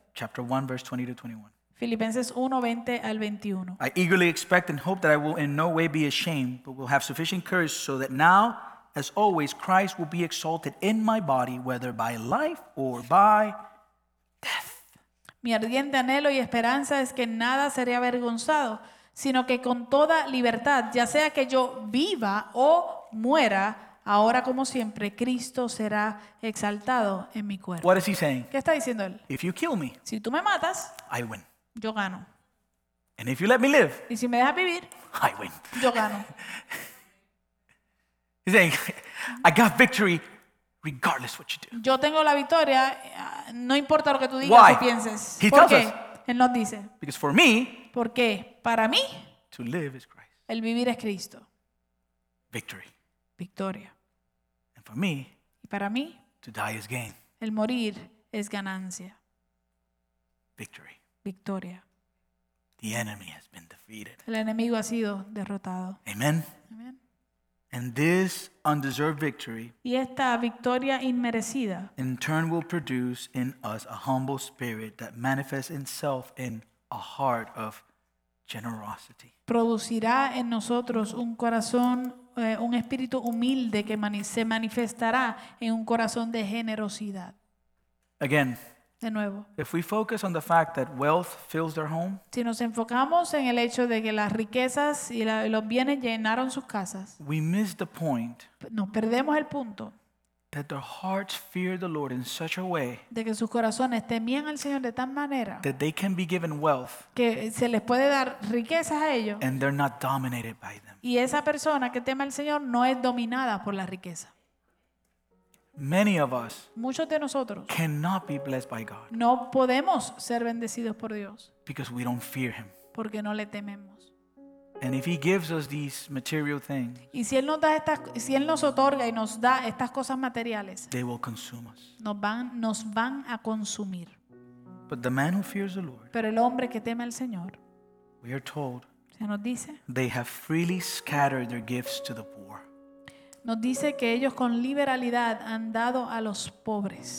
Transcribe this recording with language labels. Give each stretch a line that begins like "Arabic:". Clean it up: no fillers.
English: Chapter 1, verse 20 to 21.
Spanish: Filipenses 1, 20 al 21.
English: I eagerly expect and hope that I will in no way be ashamed, but will have sufficient courage so that now, as always, Christ will be exalted in my body, whether by life or by death.
Spanish: Mi ardiente anhelo y esperanza es que nada seré avergonzado, sino que con toda libertad, ya sea que yo viva o muera, ahora como siempre, Cristo será exaltado en mi cuerpo.
English: What is he saying?
Spanish: ¿Qué está diciendo él?
English: If you kill me,
Spanish: si tú me matas,
English: I win.
Spanish: Yo gano.
English: And if you let me live,
Spanish: y si me dejas vivir,
English: I win.
Spanish: Yo gano.
English: He's saying, I got victory regardless what you do.
Spanish: Yo tengo la victoria, no importa lo que tú digas.
English: Why?
Spanish: O pienses.
English: He
Spanish: ¿por
English: tells
Spanish: qué?
English: Us.
Spanish: Él nos dice.
English: Because for me,
Spanish: porque para mí,
English: to live is Christ.
Spanish: El vivir es Cristo.
English: Victory.
Spanish: Victoria.
English: And for me,
Spanish: y para mí,
English: to die is gain.
Spanish: El morir es ganancia.
English: Victory.
Spanish: Victoria.
English: The enemy has been defeated.
Spanish: El enemigo ha sido derrotado.
English: Amen. Amen. And this undeserved victory,
Spanish: y esta victoria inmerecida,
English: in turn will produce in us a humble spirit that manifests itself in a heart of generosity.
Spanish: Producirá en nosotros un corazón, un espíritu humilde que se manifestará en un corazón de generosidad.
English: Again,
Spanish: De nuevo.
English: If we focus on the fact that wealth fills their home,
Spanish: si nos enfocamos en el hecho de que las riquezas y los bienes llenaron sus casas,
English: we miss the point.
Spanish: Nos perdemos el punto.
English: That their hearts fear the Lord in such a way.
Spanish: De que sus corazones temían al Señor de tal manera.
English: That they can be given wealth.
Spanish: Que se les puede dar riquezas a ellos.
English: And they're not dominated by them.
Spanish: Y esa persona que teme al Señor no es dominada por la riqueza.
English: Many of us,
Spanish: muchos de nosotros,
English: cannot be blessed by God.
Spanish: No podemos ser bendecidos por Dios.
English: Because we don't fear Him.
Spanish: Porque no le tememos.
English: And if He gives us these material things,
Spanish: y si él nos da estas, si él nos otorga y nos da estas cosas materiales,
English: they will consume us.
Spanish: Nos van a consumir.
English: But the man who fears the Lord,
Spanish: pero el hombre que teme al Señor,
English: we are told,
Spanish: se nos dice,
English: they have freely scattered their gifts to the poor.
Spanish: Nos dice que ellos con liberalidad han dado a los pobres.